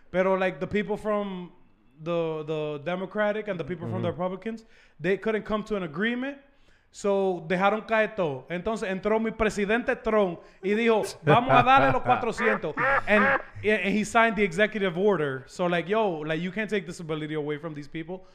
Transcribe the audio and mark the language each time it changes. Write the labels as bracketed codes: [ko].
[en] Pero like, the people from the Democratic and the people, mm-hmm, from the Republicans, they couldn't come to an agreement. [es] So, dejaron caer todo. Entonces, entró mi presidente Trump y dijo, vamos a darle los 400. [en] And he signed the executive order. So, like, yo, like, you can't take disability away from these people.